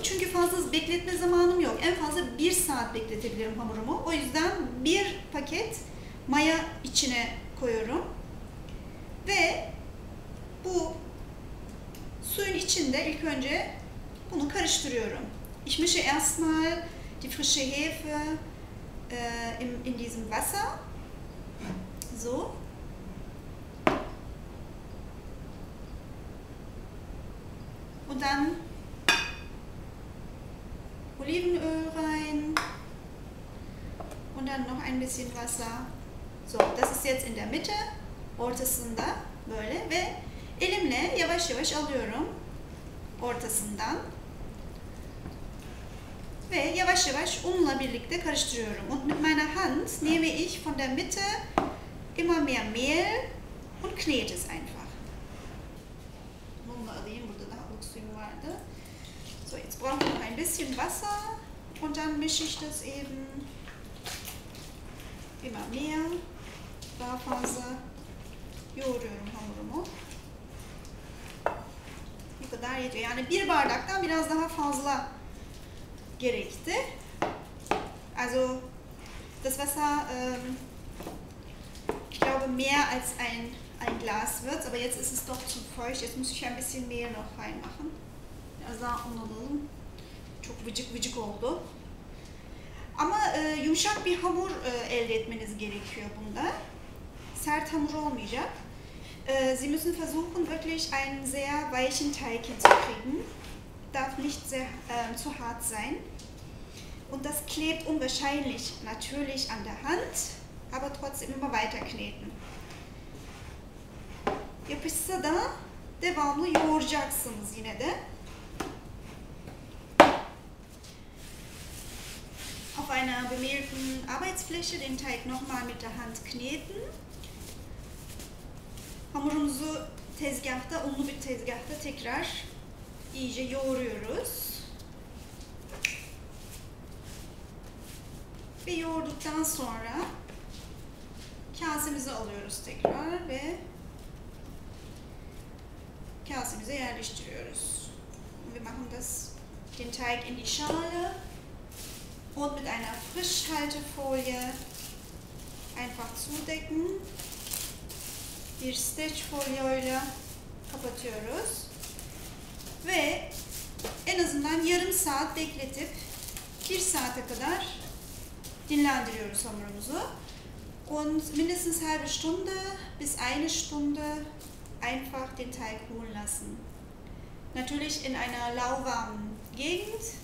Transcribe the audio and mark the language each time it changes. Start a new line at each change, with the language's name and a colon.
Turkish: Çünkü fazla bekletme zamanım yok. En fazla 1 saat bekletebilirim hamurumu. O yüzden bir paket maya içine koyuyorum. Ve bu suyun içinde ilk önce bunu karıştırıyorum.
German: Ich mische erstmal die frische Hefe in diesem Wasser. So. Und dann Olivenöl rein. Und dann noch ein bisschen Wasser. So, das ist jetzt in der Mitte,
Turkish: ortasında böyle ve elimle yavaş yavaş alıyorum ortasından. Ve yavaş yavaş unla birlikte karıştırıyorum.
German: Und mit meiner Hand nehme ich von der Mitte immer mehr Mehl und knete es einfach.
Turkish: Unla alayım, burada daha bol suyum vardı.
German: So, jetzt brauche ich noch ein bisschen Wasser und dann mische ich das eben immer mehr.
Turkish: Barphase, yoğuruyorum hamurumu. Bu kadar yetiyor. Yani bir bardaktan biraz daha fazla gerekti.
German: Also, das Wasser, ich glaube, mehr als ein Glas wird, aber jetzt ist es doch zu feucht. Jetzt muss ich ein bisschen Mehl noch reinmachen.
Turkish: Biraz daha unalalım. Çok vıcık vıcık oldu. Ama yumuşak bir hamur elde etmeniz gerekiyor bunda. Sert hamur olmayacak.
German: Sie müssen versuchen, wirklich einen sehr weichen Teig hinzukriegen. Darf nicht sehr zu hart sein. Und das klebt unwahrscheinlich natürlich an der Hand, aber trotzdem immer weiter kneten.
Turkish: Yapışsa da devamlı yoğuracaksınız yine de.
German: Auf einer bemehlten Arbeitsfläche den Teig nochmal mit der Hand kneten.
Turkish: Hamurumuzu tezgahta, unlu bir tezgahta tekrar iyice yoğuruyoruz. Ve yoğurduktan sonra kasemizi alıyoruz tekrar ve kasemize yerleştiriyoruz.
German: Wir machen das, den Teig in die Schale und mit einer Frischhaltefolie einfach zudecken.
Turkish: Bir streçfolyoyla kapatıyoruz. Ve en azından yarım saat bekletip bir saate kadar dinlendiriyoruz hamurumuzu.
German: Und mindestens halbe Stunde bis eine Stunde einfach den Teig ruhen lassen. Natürlich in einer lauwarmen Gegend.